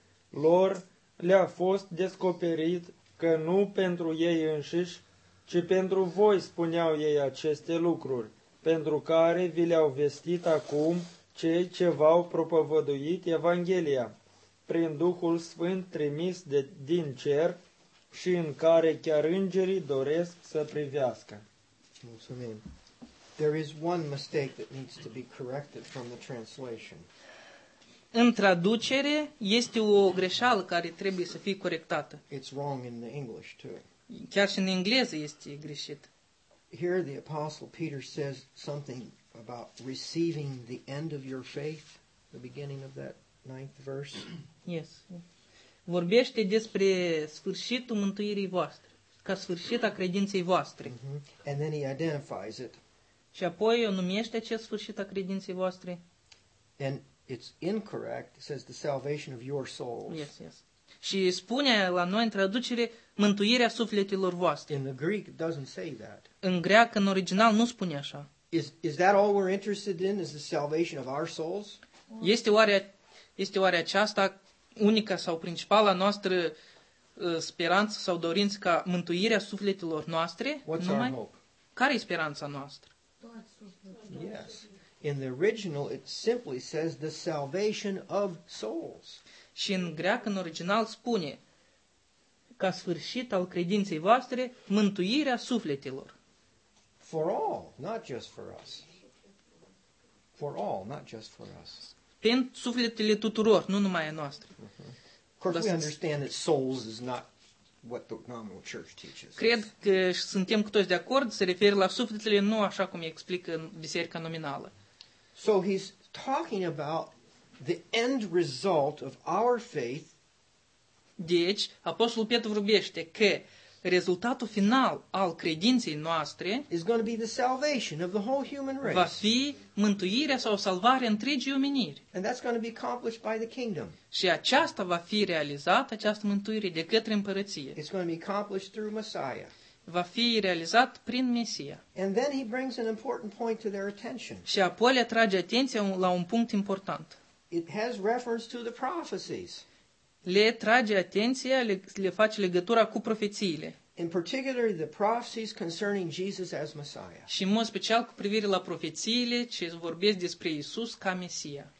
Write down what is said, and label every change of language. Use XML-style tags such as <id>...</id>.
<ro>Lor le-a fost descoperit că nu pentru ei înșiși, ci pentru voi spuneau ei aceste lucruri, pentru care vi le-au vestit acum cei ce v-au propovăduit Evanghelia, prin Duhul Sfânt trimis din cer și în care chiar îngerii doresc să privească. Mulțumim.</ro> <en>There is one mistake that needs to be corrected from the translation.</en> <ro>În traducere este o greșeală care trebuie să fie corectată.</ro> <en>It's wrong in the English too.</en> <ro>Chiar și în engleză este greșit.</ro> <en>Here the apostle Peter says something about receiving the end of your faith, the beginning of that ninth verse. Yes.</en> <ro>Vorbește despre sfârșitul mântuirii voastre, ca sfârșit a credinței voastre.</ro> <en>Mm-hmm. And then he identifies it.</en> <ro>Și apoi o numește acest sfârșit a credinței voastre.</ro> <en>And it's incorrect. It says the salvation of your souls. Yes, yes.</en> <ro>Și spune la noi în traducere mântuirea sufletelor voastre.</ro> <en>In the Greek it doesn't say that.</en> <ro>În greacă, în original, nu spune așa.</ro> <en>Is that all we're interested in, is the salvation of our souls?</en> <ro>Este oare aceasta unica sau principala noastră speranță sau dorință, ca mântuirea sufletelor noastre?</ro> <en>What's</en> <ro>numai?</ro> <en>Our hope?</en> <ro>Care e speranța noastră?</ro> <en>Yes. In the original it simply says the salvation of souls.</en> <ro>Și în greacă, în original, spune ca sfârșit al credinței voastre mântuirea sufletelor.</ro> <en>For all, not just for us. For all, not just for us.</en> <ro>Pentru sufletele tuturor, nu numai a noastră.</ro> <en>Of course, we understand that souls is not what the nominal church teaches.</en> <ro>Cred că suntem cu toți de acord, se referă la sufletele, nu așa cum îi explică biserica nominală.</ro> <en>So he's talking about the end result of our faith.</en> <ro>Deci, apostolul Petru vorbește că rezultatul final al credinței noastre</ro> <en>is going to be the salvation of the whole human race.</en> <ro>Va fi mântuirea sau salvarea întregii omeniri.</ro> <en>And that's going to be accomplished by the kingdom.</en> <ro>Și aceasta va fi realizată, această mântuire, de către împărăție.</ro> <en>It's going to be accomplished through Messiah.</en> <ro>Va fi realizat prin Mesia.</ro> <en>And then he brings an important point to their attention.</en> <ro>Și apoi le atrage atenția la un punct important.</ro> <en>It has reference to the prophecies.</en> <ro>Le trage atenția, le face legătura cu profețiile.</ro> <en>In particular, the prophecies concerning Jesus as Messiah.</en> <ro>Și în mod special cu privire la profețiile ce vorbesc despre Iisus ca Mesia.</ro>